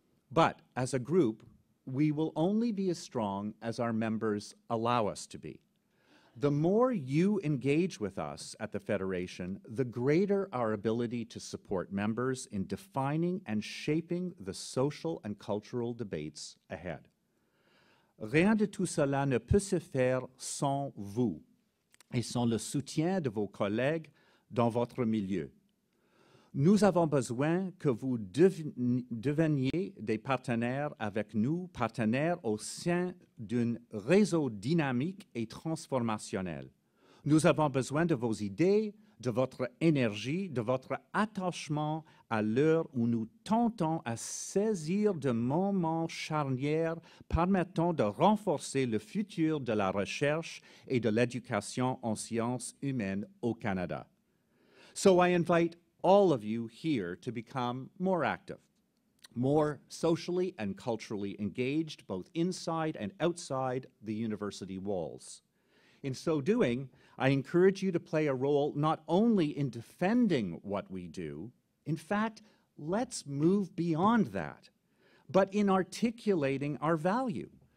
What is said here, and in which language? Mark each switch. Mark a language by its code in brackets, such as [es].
[en] But as a group, we will only be as strong as our members allow us to be. The more you engage with us at the Federation, the greater our ability to support members in defining and shaping the social and cultural debates ahead. [fr] Rien de tout cela ne peut se faire sans vous et sans le soutien de vos collègues dans votre milieu. Nous avons besoin que vous deveniez des partenaires avec nous, partenaires au sein d'un réseau dynamique et transformationnel. Nous avons besoin de vos idées, de votre énergie, de votre attachement à l'heure où nous tentons à saisir de moments charnières permettant de renforcer le futur de la recherche et de l'éducation en sciences humaines au Canada. [en] So I invite all of you here to become more active, more socially and culturally engaged, both inside and outside the university walls. In so doing, I encourage you to play a role not only in defending what we do, in fact, let's move beyond that, but in articulating our value.